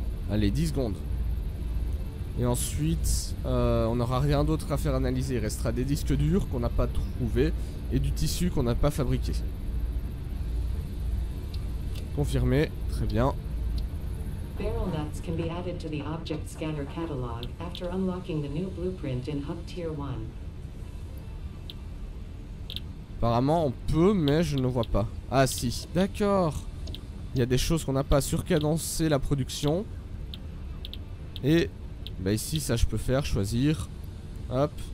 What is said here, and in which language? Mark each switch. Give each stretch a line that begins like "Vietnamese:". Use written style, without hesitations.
French: Allez, 10 secondes. Et ensuite, on n'aura rien d'autre à faire analyser. Il restera des disques durs qu'on n'a pas trouvés et du tissu qu'on n'a pas fabriqué. Confirmé. Très bien.
English: Barrel nuts can be added to the object scanner catalog after unlocking the new blueprint in Hub Tier 1.
French: Apparemment, on peut, mais je ne vois pas. Ah si, d'accord. Il y a des choses qu'on n'a pas. Surcadencer la production. Et bah ici, ça je peux faire, choisir. Hop.